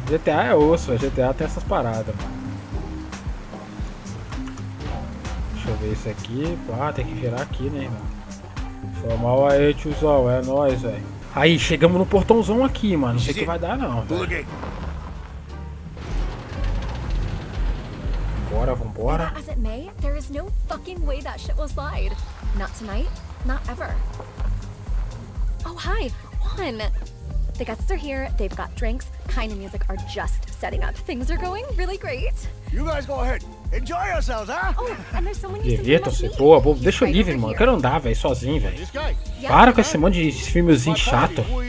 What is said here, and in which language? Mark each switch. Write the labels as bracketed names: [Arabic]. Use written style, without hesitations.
[Portuguese] GTA é osso, GTA tem essas paradas, mano. Deixa eu ver isso aqui. Ah, tem que virar aqui, né, mano. Foi mal aí, tiozão. É nóis, velho. Aí, chegamos no portãozão aqui, mano. Não sei o que vai dar, não. vambora. [English] As it may, there is no fucking way that shit will slide. Not tonight, not ever. Oh, hi, Juan. The guests are here, they've got drinks, Kind of Music are just setting up. Things are going really great. You guys go ahead. Enjoy yourselves, huh? Oh, and there's someone you see. [Portuguese] Assim, boa, boa. Deixa eu livre, mano. Eu quero andar, velho, sozinho, velho. Para com esse monte de filmezinho chato.